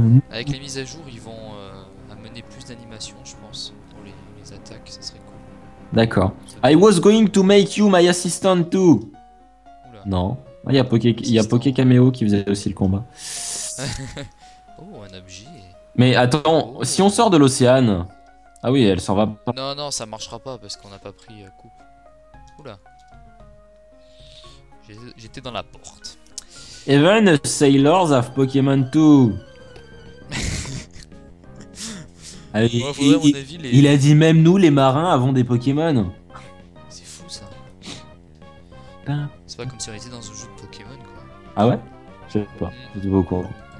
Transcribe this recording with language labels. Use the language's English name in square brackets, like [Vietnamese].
[French] Avec les mises à jour, ils vont amener plus d'animation, je pense, pour les attaques, ça serait cool. D'accord. [English] I was going to make you my assistant too. [French] Oula. Non. Ah, il y a Poké Cameo qui faisait aussi le combat. Oh, un objet. Mais attends, oh. Si on sort de l'océan... Ah oui, elle s'en va pas. Non, ça marchera pas parce qu'on n'a pas pris coupe. Oula. J'étais dans la porte. [English] Even sailors have Pokémon too. [French] Allez, ouais, il, à mon avis, les... il a dit même nous les marins avons des Pokémon. C'est fou ça. C'est pas comme si on était dans un jeu de Pokémon quoi. Ah ouais? Je sais pas, je suis pas au courant.